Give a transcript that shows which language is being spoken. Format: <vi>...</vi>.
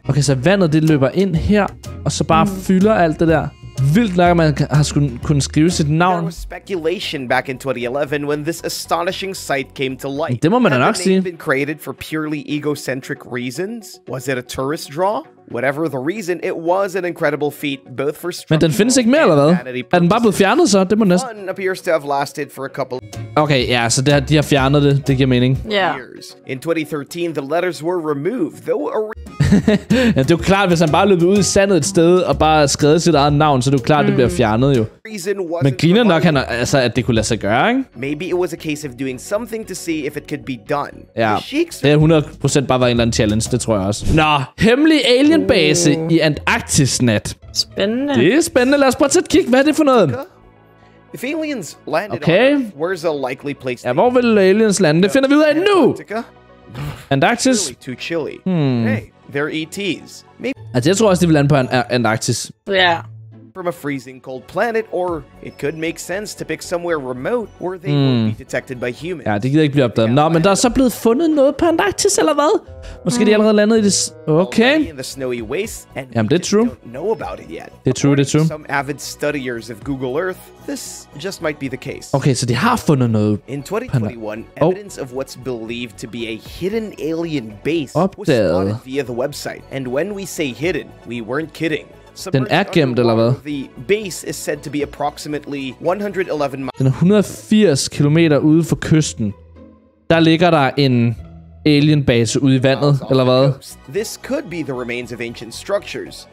<da>Okay, så vandet det løber ind her, og så bare fylder alt det der. Vildt nok, at man har kunnet skrive sit navn.</da> <en>There was speculation back in 2011 when this astonishing sight came to light.</en> <da>Det må man da nok sige.</da> <en>Had the name been created for purely egocentric reasons? Was it a tourist draw? Whatever the reason, it was an incredible feat, both for structural...</en> <da>Men den findes ikke mere, eller hvad? Er den bare blevet fjernet, så? Det må næsten...</da> <en>One appears to have lasted for a couple...</en> <da>Okay, ja, så det, de har fjernet det. Det giver mening. Ja.</da> <en>In 2013, the letters were removed, though...</en> <da>Ja, det er jo klart, hvis han bare løb ud i sandet et sted og bare skrevet sit eget navn, så det er jo klart, det bliver fjernet jo. Men griner nok, han, altså, at det kunne lade sig gøre, ikke?</da> <en>Maybe it was a case of doing something to see if it could be done.</en> <da>Ja, det er 100% bare været en eller anden challenge, det tror jeg også. Nå, hemmelig alienbase i Antarktis nat. Spændende. Det er spændende. Lad os prøve at tage et kig. Hvad er det for noget?</da> <en>If aliens landed okay. On Earth, where's a likely place</en> <da>ja, hvor vil aliens lande? Det finder vi ud af nu! Antarktis?</da> <en>Too chilly. They're ETs. Maybe.</en> <da>Altså, jeg tror også, de vil lande på Antarktis. Ja. Yeah.</da> <en>From a freezing cold planet, or it could make sense to pick somewhere remote where they won't be detected by humans.</en> <da>Ja, det gider ikke blive opdaget. Nå, men der er så blevet fundet noget på Antarktis, eller hvad? Måske de allerede landet i det... Okay. Jamen, det er true. Det er</da> <en>true. Some avid studiers of Google Earth, this just might be the case.</en> <da>Okay, så de har fundet noget.</da> <en>In 2021, evidence of what's believed to be a hidden alien base</en> <da>opdaget.</da> <en>Was spotted via the website. And when we say hidden, we weren't kidding.</en> <da>Den er gemt, eller hvad?</da> <en>The base is said to be approximately 111</en> <da>miles. Den er 180 km ude for kysten. Der ligger der en alienbase ude i vandet, eller hvad?</da> <en>This could be the remains of ancient structures.</en>